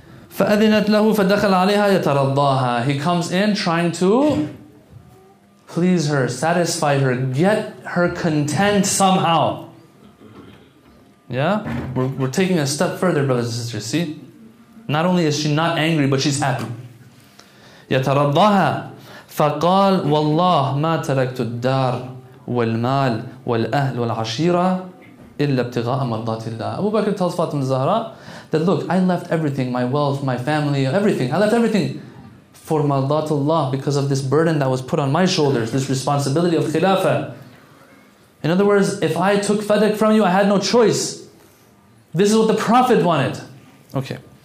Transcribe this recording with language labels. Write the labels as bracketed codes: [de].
[ar] فَأَذِنَتْ لَهُ فَدَخَلَ عَلَيْهَا يَتَرَضَّاهَا. [en] He comes in trying to please her, satisfy her, get her content somehow. Yeah? We're taking a step further, brothers and sisters, see? Not only is she not angry, but she's happy. [ar] يَتَرَضَّاهَا فقال والله ما تركت الدار والمال والأهل والعشيرة إلا ابتغاء مرضات الله. [en] Abu Bakr tells Fatima Zahra that look, I left everything, my wealth, my family, everything. I left everything for [ar] مرضات الله, [en] because of this burden that was put on my shoulders, this responsibility of khilafah. In other words, if I took fadak from you, I had no choice. This is what the Prophet wanted. Okay.